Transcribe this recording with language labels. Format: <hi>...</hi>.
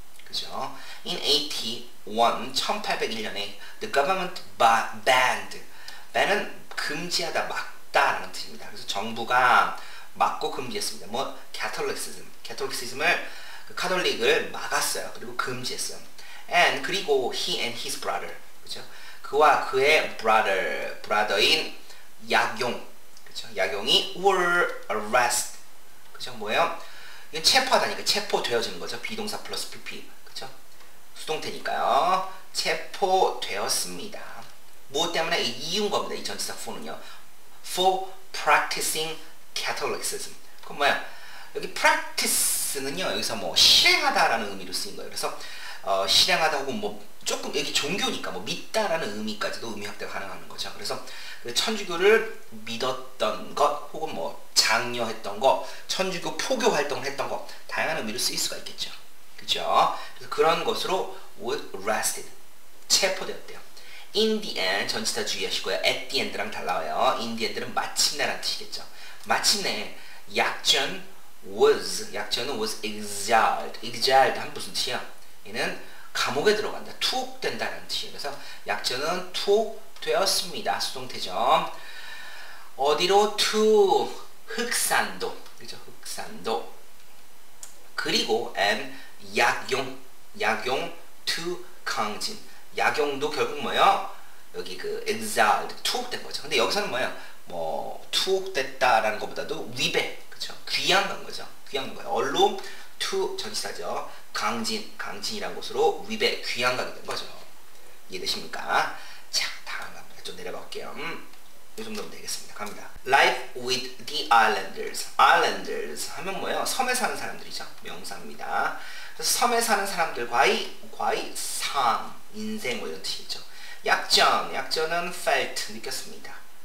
<ko>그죠?</ko> <en>In 81,</en> <ko>1801년에</ko> <en>the government banned,</en> <ko>ban은 금지하다, 막다라는 뜻입니다. 그래서 정부가 막고 금지했습니다. 뭐 Catholicism, Catholicism을 그 카톨릭을 막았어요. 그리고 금지했어요.</ko> <en>And</en> <ko>그리고</ko> <en>he and his brother,</en> <ko>그죠? 그와 그의 brother인 약용, 그죠? 약용이 were arrested, 그죠? 뭐예요? 이건 체포하다니까 체포되어지는 거죠. 비동사 플러스 PP, 그죠? 수동태니까요. 체포되었습니다. 무엇 때문에 이유인 겁니다. 이 전치사 for는요.</ko> <en>For practicing Catholicism.</en> <ko>그럼 뭐야? 여기 practice는요. 여기서 뭐 실행하다라는 의미로 쓰인 거예요. 그래서 실행하다 혹은 뭐 조금 여기 종교니까 뭐 믿다라는 의미까지도 의미 확대가 가능한 거죠. 그래서 천주교를 믿었던 것 혹은 뭐 장려했던 것 천주교 포교 활동을 했던 것 다양한 의미로 쓰일 수가 있겠죠. 그죠? 그런 것으로</ko> <en>was arrested</en> <ko>체포되었대요.</ko> <en>In the end</en> <ko>전치사 주의하시고요.</ko> <en>At the end랑 달라요.</en> <ko>In the end는 마침내라는 뜻이겠죠. 마침내 약전은</ko> <en>was exiled.</en> <ko>Exiled 한 무슨 뜻이야? 얘는 감옥에 들어간다. 투옥된다라는 뜻이에요. 그래서 약전은 투옥 되었습니다. 수동태죠. 어디로? To 흑산도. 그죠? 흑산도. 그리고 and 약용 to 강진. 약용도 결국 뭐예요? 여기 그 exiled 투옥된 거죠. 근데 여기서는 뭐예요? 뭐 투옥됐다라는 것보다도 위배. 그죠? 귀양간 거죠. 귀양간 거예요. 얼로 to 전치사죠. 강진이라는 곳으로 위배 귀양간이 된 거죠. 이해되십니까? 자, 좀 내려볼게요. 이 정도면 되겠습니다. 갑니다.</ko> <en>Life with the islanders.</en> <ko>Islanders 하면 뭐예요? 섬에 사는 사람들이죠. 명사입니다. 그래서 섬에 사는 사람들과의 삶, 인생 뭐 이런 뜻이죠. 약전은</ko> <en>felt</en> <ko>느꼈습니다.</ko>